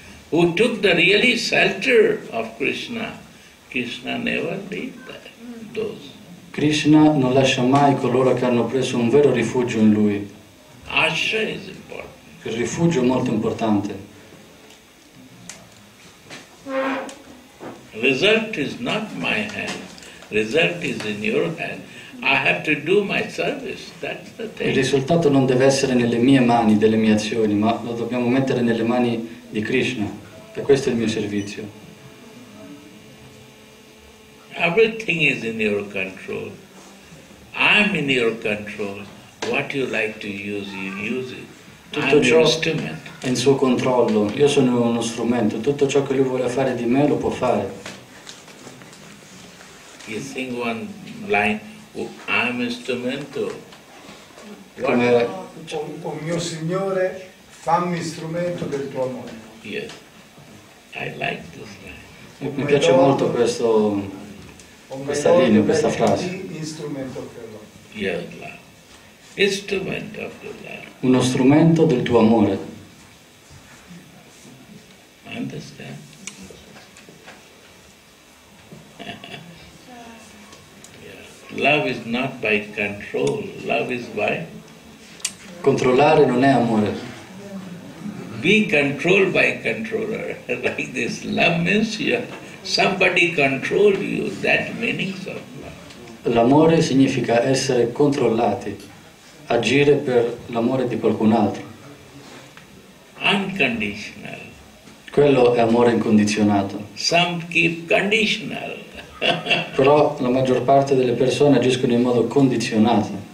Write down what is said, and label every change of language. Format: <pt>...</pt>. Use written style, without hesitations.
<en>Who took the really shelter of Krishna, Krishna never leave those.</en> <it>Krishna non lascia mai coloro che hanno preso un vero rifugio in lui.</it> <en>Ashra is important.</en> <it>Il rifugio è molto importante.</it> <en>Result is not my hand. Result is in your hand. I have to do my service. That's the thing.</en> <it>Il risultato non deve essere nelle mie mani, delle mie azioni, ma lo dobbiamo mettere nelle mani di Krishna. E questo è il mio servizio.</it> <en>Everything is in your control. I'm in your control. What you like to use, you use it.</en> <it>Tutto ciò è instrument. In suo controllo. Io sono uno strumento. Tutto ciò che lui vuole fare di me lo può fare.</it> <en>You sing one line, oh, I'm instrumento.</en> <it>Come oh mio Signore, fammi strumento del tuo amore.</it> <en>Yes, I like this line.</en> <it>Mi piace molto questo, questa linea, questa frase.</it> <en>Instrumento</en> <it>per l'amore. Yes, instrumento per l'amore. Uno strumento del tuo amore.</it> <en>Understand? Love is not by control, love is by?</en> <it>Controllare non è amore.</it> <en>Being controlled by controller, like this. Love means somebody control you, that meaning of love.</en> <it>L'amore significa essere controllati, agire per l'amore di qualcun altro.</it> <en>Unconditional.</en> <it>Quello è amore incondizionato.</it> <en>Some keep conditional.</en> <it>Però la maggior parte delle persone agiscono in modo condizionato.</it>